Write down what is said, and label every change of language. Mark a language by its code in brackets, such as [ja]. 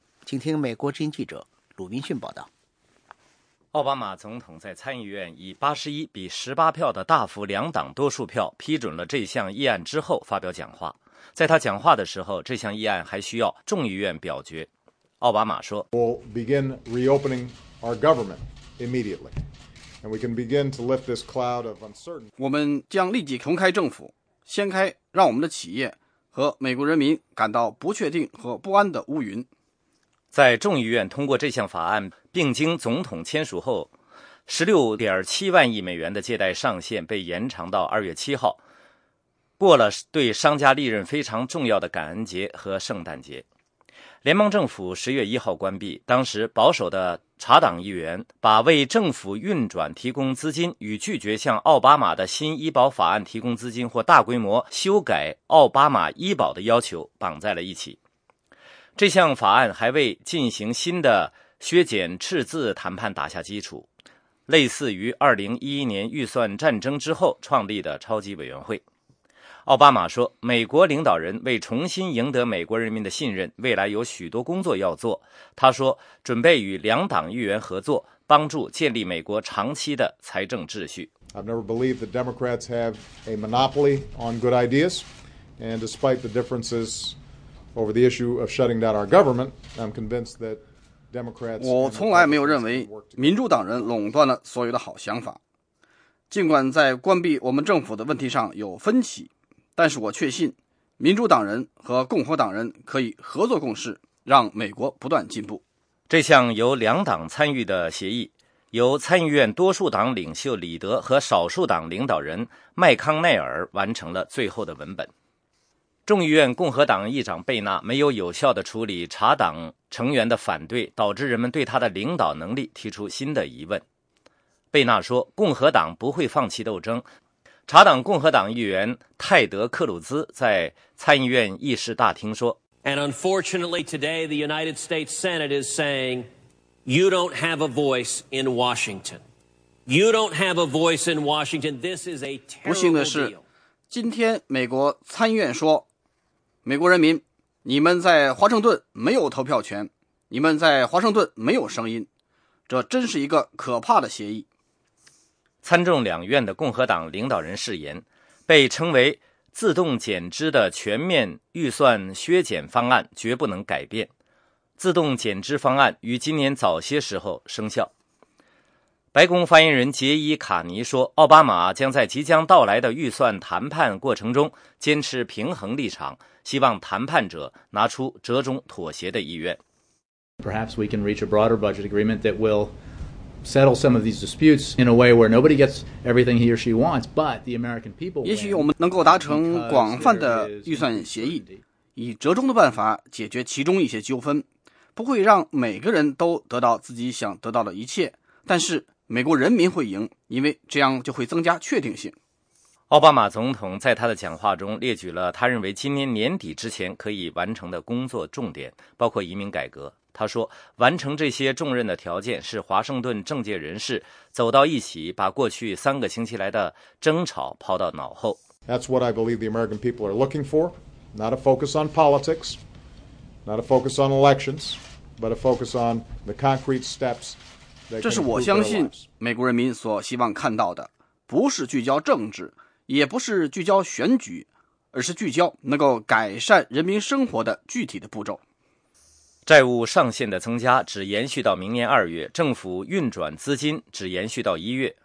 [zh] 请听美国之音记者鲁宾逊报道。奥巴马总统在参议院以81-18票的大幅两党多数票批准了这项议案之后发表讲话。在他讲话的时候，这项议案还需要众议院表决。奥巴马说， [en] We'll begin reopening our government immediately. And we can begin to lift this cloud of uncertainty. [zh] 我们将立即重开政府，掀开让我们的企业和美国人民感到不确定和不安的乌云。在众议院通过这项法案并经总统签署后，16.7万亿美元的借贷上限被延长到2月7号，过了对商家利润非常重要的感恩节和圣诞节。联邦政府10月1号关闭，当时保守的查党议员把为政府运转提供资金与拒绝向奥巴马的新医保法案提供资金或大规模修改奥巴马医保的要求绑在了一起。这项法案还为进行新的削减赤字谈判打下基础，类似于2011年预算战争之后创立的超级委员会。奥巴马说，美国领导人为重新赢得美国人民的信任，未来有许多工作要做。他说，准备与两党议员合作，帮助建立美国长期的财政秩序。 [en] I've never believed that Democrats have a monopoly on good ideas, and despite the differences over the issue of shutting down our government, I'm convinced that Democrats. [zh] 我从来没有认为民主党人垄断了所有的好想法，尽管在关闭我们政府的问题上有分歧。但是我确信民主党人和共和党人可以合作共事，让美国不断进步。这项由两党参与的协议由参议院多数党领袖李德和少数党领导人麦康奈尔完成了最后的文本。众议院共和党议长贝纳没有有效地处理查党成员的反对，导致人们对他的领导能力提出新的疑问。贝纳说，共和党不会放弃斗争。查党共和党议员泰德·克鲁兹在参议院议事大厅说， [en] And unfortunately today the United States Senate is saying you don't have a voice in Washington. You don't have a voice in Washington. This is a terrible deal. [zh] 不幸的是，今天美国参议院说，美国人民你们在华盛顿没有投票权，你们在华盛顿没有声音，这真是一个可怕的协议。参众两院的共和党领导人誓言，被称为自动减支的全面预算削减方案绝不能改变。自动减支方案于今年早些时候生效。白宫发言人杰伊·卡尼说，奥巴马将在即将到来的预算谈判过程中坚持平衡立场，希望谈判者拿出折中妥协的意愿。 [en] Perhaps we can reach a broader budget agreement that will settle some of these disputes in a way where nobody gets everything he or she wants, but the American people. [zh] 也许我们能够达成广泛的预算协议，以折中的办法解决其中一些纠纷，不会让每个人都得到自己想得到的一切，但是美国人民会赢，因为这样就会增加确定性。奥巴马总统在他的讲话中列举了他认为今年年底之前可以完成的工作重点，包括移民改革。他说，完成这些重任的条件是华盛顿政界人士走到一起，把过去三个星期来的争吵抛到脑后。 [en] That's what I believe the American people are looking for, not a focus on politics, not a focus on elections, but a focus on the concrete steps. [zh] 这是我相信美国人民所希望看到的，不是聚焦政治，也不是聚焦选举，而是聚焦能够改善人民生活的具体的步骤。债务上限的增加只延续到明年二月，政府运转资金只延续到一月。